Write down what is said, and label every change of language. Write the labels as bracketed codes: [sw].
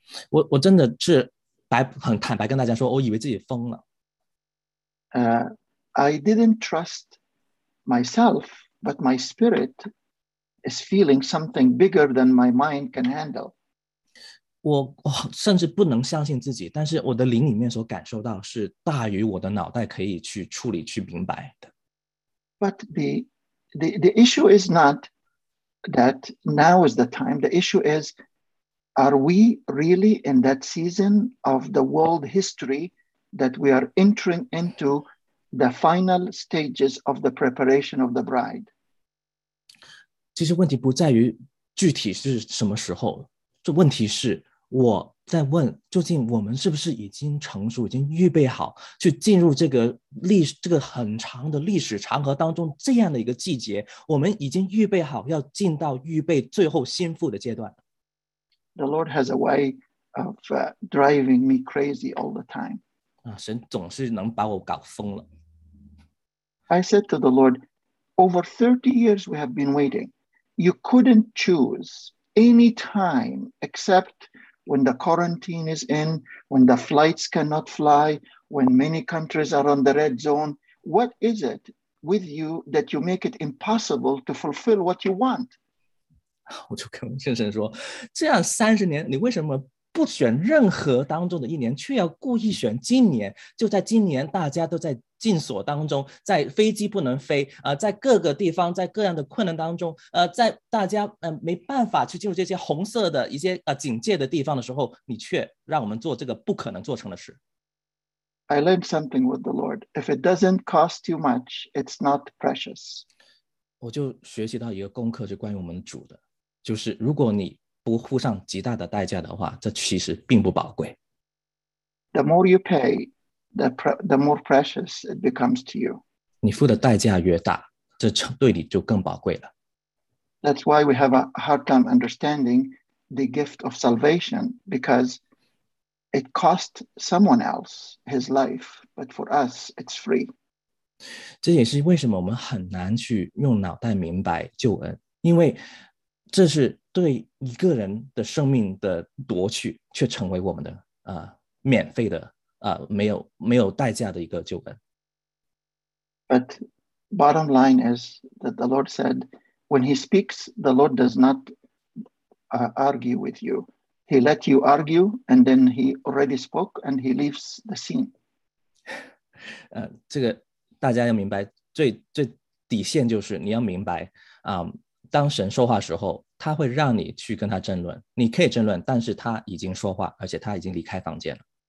[zh] 我真的是很坦白跟大家说，我以为自己疯了。 [en] I didn't trust myself, but my spirit is feeling something bigger than my mind can handle. [zh] 我甚至不能相信自己，但是我的灵里面所感受到是大于我的脑袋可以去处理、去明白的。 [en] But the issue is not that now is the time. The issue is, are we really in that season of the world history that we are entering into the final stages of the preparation of the bride? [zh] 其实问题不在于具体是什么时候，这问题是我在问，究竟我们是不是已经成熟，已经预备好去进入这个很长的历史长河当中这样的一个季节，我们已经预备好要进到预备最后心腹的阶段。 [en] The Lord has a way of driving me crazy all the time. [zh] 神总是能把我搞疯了。 [en] I said to the Lord,Over 30 years we have been waiting. You couldn't choose any time except when the quarantine is in, when the flights cannot fly, when many countries are on the red zone. What is it with you that you make it impossible to fulfill what you want? [zh] 我就跟先生说，这样30年，你为什么不选任何当中的一年，却要故意选今年？就在今年大家都在禁锁当中，在飞机不能飞，在各个地方，在各样的困难当中，在大家没办法去进入这些红色的一些警戒的地方的时候，你却让我们做这个不可能做成的事。 [en] I learned something with the Lord. If it doesn't cost too much, it's not precious. [zh] 我就学习到一个功课，就关于我们主的，就是如果你不付上极大的代价的话，这其实并不宝贵。 [en] The more you pay,the more precious it becomes to you. [zh] 你付的代价越大，这对你就更宝贵了。 [en] That's why we have a hard time understanding the gift of salvation, because it cost someone else his life, but for us, it's free. [zh] 这也是为什么我们很难去用脑袋明白救恩，因为这是对一个人的生命的夺取，却成为我们的免费的没有代价的一个救恩。 [en] But bottom line is that the Lord said, when he speaks, the Lord does not argue with you. He let you argue, and then he already spoke, and he leaves the scene. [zh] 这个大家要明白，最底线就是你要明白，当神说话时候，他会让你去跟他争论。你可以争论，但是他已经说话，而且他已经离开房间了。